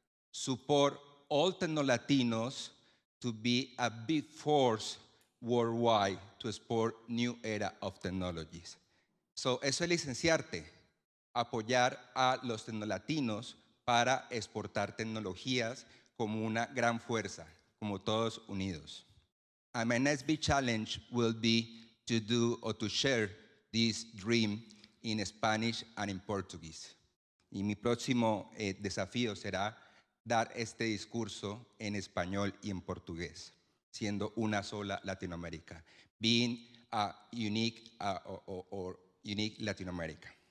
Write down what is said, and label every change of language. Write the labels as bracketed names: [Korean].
[English] Support all Tecnolatinos to be a big force worldwide to export new era of technologies. [Spanish] So, eso es Licenciarte, apoyar a los Tecnolatinos para exportar tecnologías como una gran fuerza, como todos unidos. [English] And my next big challenge will be to do or to share this dream in Spanish and in Portuguese. [Spanish] Y mi próximo desafío será dar este discurso en español y en portugués, siendo una sola Latinoamérica, [English] being a unique or unique Latin America.